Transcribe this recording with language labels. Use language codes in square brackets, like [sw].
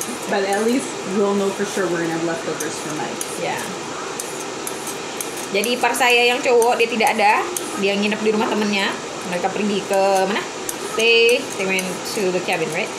[en] But at least we'll know for sure we're gonna have leftovers for night. Yeah. [id] Jadi ipar saya yang cowok dia tidak ada, dia nginep di rumah temennya. Mereka pergi ke mana? [en] They went to the cabin, right?